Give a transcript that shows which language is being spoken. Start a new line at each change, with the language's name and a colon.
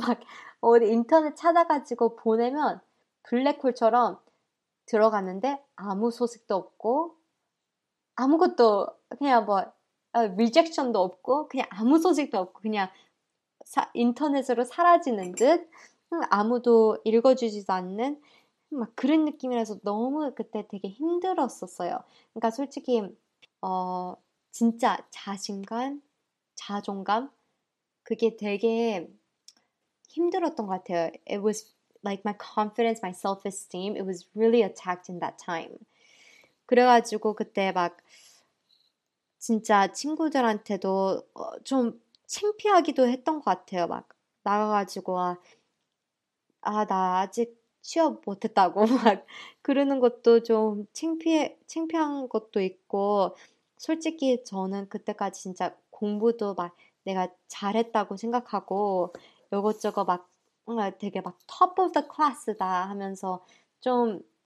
Korean: 막 어디 인터넷 찾아가지고 보내면 블랙홀처럼 들어갔는데 아무 소식도 없고 아무것도 그냥 뭐 리젝션도 없고 그냥 아무 소식도 없고 그냥 인터넷으로 사라지는 듯 아무도 읽어주지도 않는 막 그런 느낌이라서 너무 그때 되게 힘들었었어요. 그러니까 솔직히 진짜 자신감, 자존감 그게 되게 힘들었던 것 같아요.
English: It was like my confidence, my self-esteem, it was really attacked in that time.
Korean: 그래가지고 그때 막 진짜 친구들한테도 좀 창피하기도 했던 것 같아요. 막 나가가지고 나 아직 취업 못했다고 막 그러는 것도 좀 창피한 것도 있고 솔직히 저는 그때까지 진짜 공부도 막 내가 잘했다고 생각하고 이것저것 막 되게 막
English: top of the class
Korean: 다 하면서 좀